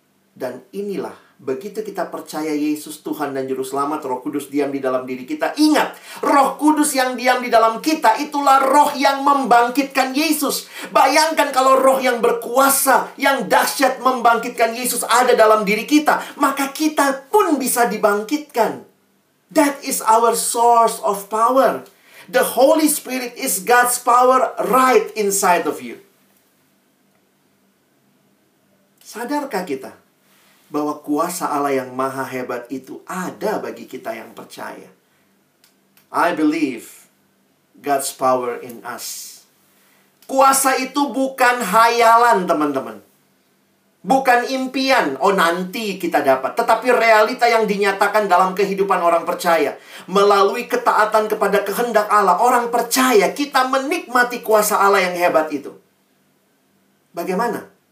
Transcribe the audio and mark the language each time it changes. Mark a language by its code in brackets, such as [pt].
[id] Dan inilah, begitu kita percaya Yesus Tuhan dan Juru Selamat, Roh Kudus diam di dalam diri kita. Ingat, Roh Kudus yang diam di dalam kita itulah roh yang membangkitkan Yesus. Bayangkan kalau roh yang berkuasa, yang dahsyat membangkitkan Yesus ada dalam diri kita, maka kita pun bisa dibangkitkan. [en] That is our source of power. The Holy Spirit is God's power right inside of you. [id] Sadarkah kita bahwa kuasa Allah yang maha hebat itu ada bagi kita yang percaya? [en] I believe God's power in us. [id] Kuasa itu bukan khayalan, teman-teman. Bukan impian, oh nanti kita dapat. Tetapi realita yang dinyatakan dalam kehidupan orang percaya. Melalui ketaatan kepada kehendak Allah, orang percaya kita menikmati kuasa Allah yang hebat itu. Bagaimana?